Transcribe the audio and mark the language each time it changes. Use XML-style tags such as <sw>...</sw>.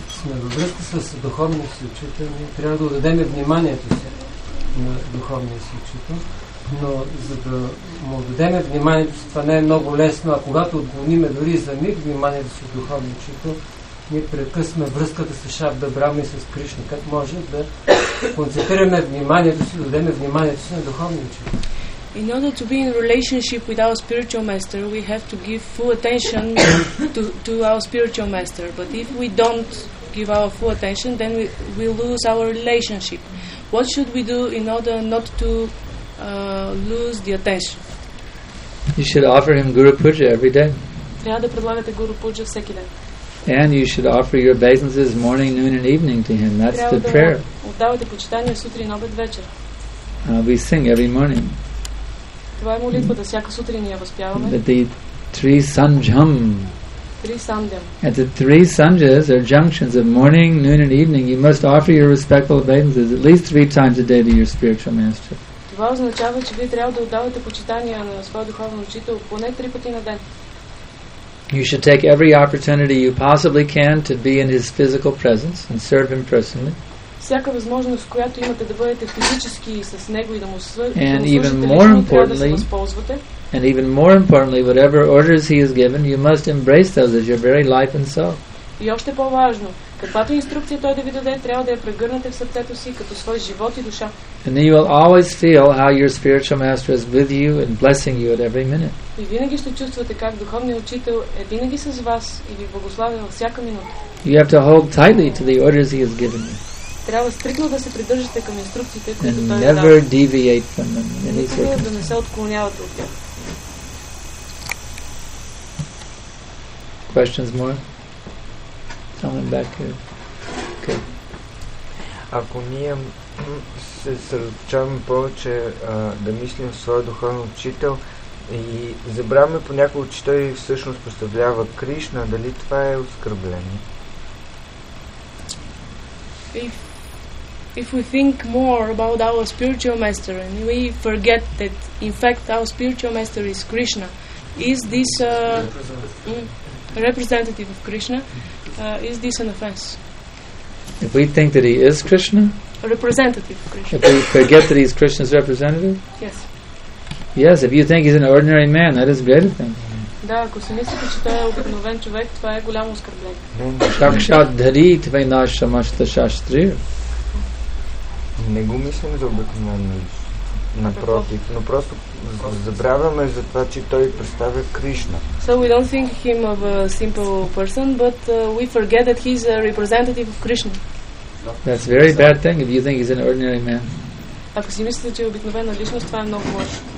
<bg>На връзка с духовния си учител, ние трябва да отдадем вниманието си на духовния си учител, но за да му отдадем вниманието си, това не е много лесно, а когато отклониме дори за миг вниманието си от духовния учител, ние прекъсваме връзката с Шабда Брама и с Кришна. Как може да концентрираме вниманието си, дадем вниманието си на духовния учител?</bg> <en>In order to be in relationship with our spiritual master, we have to give full attention to our spiritual master. But if we don't give our full attention, then we lose our relationship. What should we do in order not to lose the attention? You should offer him Guru Puja every day.</en> <bg>Трябва да предлагате Guru Puja всеки ден.</bg> <en>And you should offer your obeisances morning, noon and evening to him. That's the prayer.</en> <bg>Отдавате почитание сутрин, обед, вечер.</bg> <en>We sing every morning.</en> <bg>Това е молитвата, всяка сутрин я възпяваме.</bg> <en>That the three sanjham. At the three sanjas or junctions of morning, noon and evening, you must offer your respectful obeisances at least three times a day to your spiritual master.</en> <bg>Това означава, че вие трябва да отдавате почитания на своя духовен учител поне три пъти на ден.</bg> <en>You should take every opportunity you possibly can to be in his physical presence and serve him personally.</en> <bg>Всяка възможност, която имате да бъдете физически с него и да му служите.</bg> <en>And even more importantly, And even more importantly, whatever orders he has given, you must embrace those as your very life and soul.</en> <bg>И още по-важно, каквато инструкция той да ви даде, трябва да я прегърнете в сърцето си като свой живот и душа.</bg> <en>And then you will always feel how your spiritual master is with you and blessing you at every minute.</en> <bg>И винаги ще чувствате как духовният учител е винаги с вас и ви благославя във всяка минута.</bg> <en>You have to hold tightly to the orders he has given you.</en> <bg>Трябва стриктно да се придържате към инструкциите, които</bg> <en>and</en> <bg>той дава.</bg> <en>And never deviate from them.</en> <bg>Никога да не се отклонявате от тях.</bg> <en>Questions more? Someone back here. Okay.</en> <bg>Ако ние се съсредоточаваме повече да мислим в своя духовен учител и забравяме понякога, че той всъщност представлява Кришна, дали това е оскърбление?</bg> <en>If we think more about our spiritual master and we forget that in fact our spiritual master is Krishna, is this representative of Krishna, is this an offense? If we think that he is Krishna, representative of Krishna. If we forget that he's Krishna's representative? Yes. Yes, if you think he's an ordinary man, that is a great thing.</en> <bg>Да, ако си мислите, че той е обикновен човек, това е голямо оскърбление. Сакшат дари твой наш самашта шастри. Не го мислим за обикновен лист. Напротив, но просто забравяме за това, че той представя Кришна.</bg> <en>So we don't think him of a simple person, but we forget that he's a representative of Krishna. That's a very bad thing if you think he's an ordinary man.</en> <bg>Ако си мислите, че е обикновена личност, това е много лошо.</bg>